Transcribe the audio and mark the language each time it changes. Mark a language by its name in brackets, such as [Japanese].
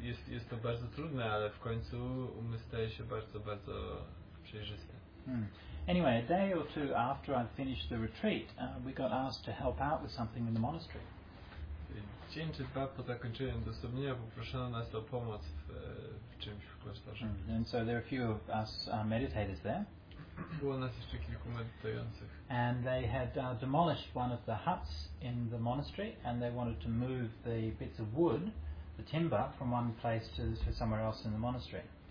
[Polish] Jest to bardzo trudne, ale w końcu umysł staje się bardzo, bardzo przejrzysty. [English] Anyway, a day or two after I finished the retreat, we got asked to help out with something in the monastery. [Polish] Dzień czy dwa po zakończeniu odosobnienia poproszono nas o pomoc w czymś w klasztorze. [English] And so there are a few of us meditators there. [Polish] Było nas jeszcze kilku medytujących. [English] And they had demolished one of the huts in the monastery and they wanted to move the bits of wood, the timber, from one place to somewhere else in the monastery.